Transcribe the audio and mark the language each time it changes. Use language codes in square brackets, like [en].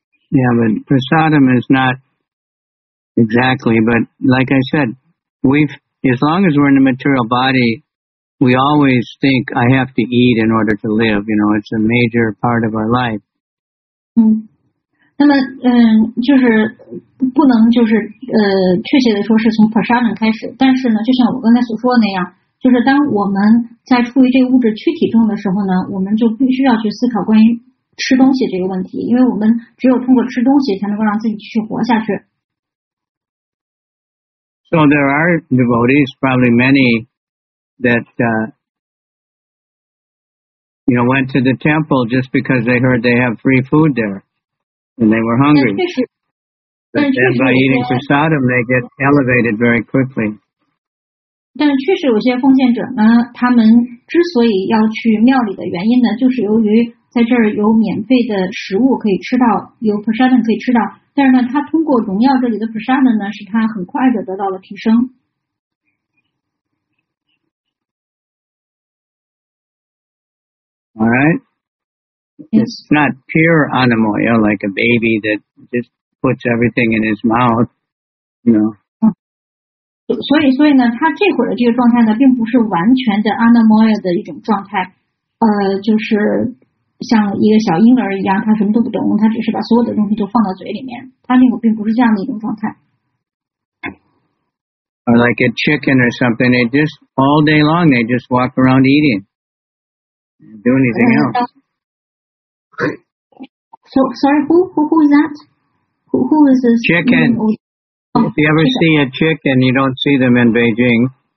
[en] Yeah, but prasadam is not exactly, but like I said, as long as we're in the material body, we always think I have to eat in order to live. You know, it's a major part of our life. [zh] 那么就是不能就是确切的说是从 prasadam 开始，但是呢，就像我刚才所说的那样，就是当我们在处于这个物质躯体中的时候呢，我们就必须要去思考关于吃东西这个问题，因为我们只有通过吃东西才能够让自己去活下去。 [en] So there are devotees, probably many, that you know, went to the temple just because they heard they have free food there and they were hungry. But then by eating prasadam, they get elevated very quickly. [zh] 但确实有些奉献者呢，他们之所以要去庙里的原因呢，就是由于在这儿有免费的食物可以吃到，有 prasadam 可以吃到，但是呢，他通过荣耀这里的 prasadam 呢，使他很快的得到了提升。 [en] All right. Yes. It's not pure anamoya, like a baby that just puts everything in his mouth, you know. [zh] 所以呢，他这会儿的这个状态呢，并不是完全的 anamoya 的一种状态，就是像一个小婴儿一样，他什么都不懂，他只是把所有的东西都放到嘴里面，他那会儿并不是这样的一种状态。 [en] Or like a chicken or something, they just all day long they just walk around eating. Do anything else. So, sorry, who is that? Who is this? Chicken. If you ever see a chicken, you don't see them in Beijing.